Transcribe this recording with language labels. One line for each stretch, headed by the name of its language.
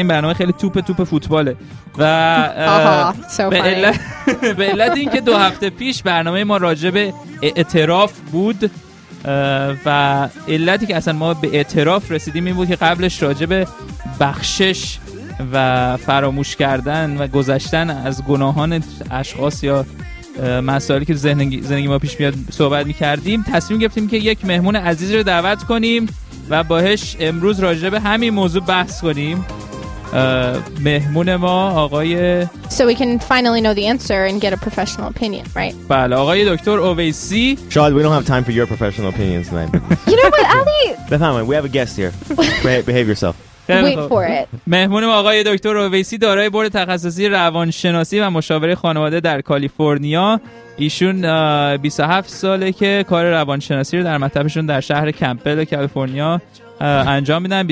Persian: این برنامه خیلی توپ فوتباله و به علت این که دو هفته پیش برنامه ما راجع به اعتراف بود و علتی که اصلا ما به اعتراف رسیدیم این بود که قبلش راجع به بخشش و فراموش کردن و گذشتن از گناهان اشخاص یا مسائلی که زندگی ما پیش میاد صحبت میکردیم. تصمیم گرفتیم که یک مهمون عزیز رو دعوت کنیم و باهش امروز راجع به همین موضوع بحث کنیم. مهمون ما آقای
English: So we can finally know the answer and get a professional opinion, right?
Persian: بله، آقای دکتر اویسی.
English: Shahid, we don't have time for your professional opinions tonight. You know what, Ali? Bethany, we have a guest here. Behave yourself.
Persian: مهمون ما آقای دکتر اویسی، دارای بورد تخصصی روانشناسی و مشاوره خانواده در کالیفرنیا. ایشون 27 ساله که کار روانشناسی رو در مطبشون در شهر کمپل کالیفرنیا انجام میدن.